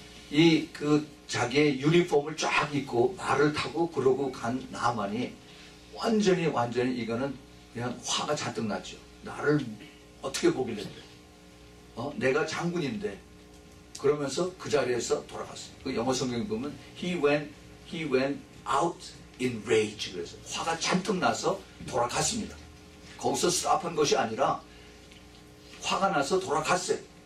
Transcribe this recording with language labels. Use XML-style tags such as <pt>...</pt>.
<ko>이 그 자기의 유니폼을 쫙 입고 말을 타고 그러고 간 나만이 완전히 이거는 그냥 화가 잔뜩 났죠. 나를 어떻게 보길래, 내가 장군인데, 그러면서 그 자리에서 돌아갔어요. 그 영어 성경에 보면</ko> <en>he went out in rage.</en> <ko>그래서 화가 잔뜩 나서 돌아갔습니다. 거기서 스탑한 것이 아니라 화가 나서 돌아갔어요.</ko>